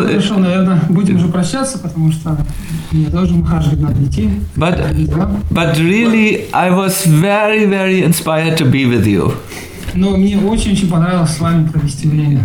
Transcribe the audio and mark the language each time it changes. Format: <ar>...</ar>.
<ru>Ну, хорошо, наверное, будем уже прощаться, потому что мне тоже ухаживать надо идти.</ru> <en>But really, I was very, very inspired to be with you.</en> <ru>Но мне очень-очень понравилось с вами провести время.</ru>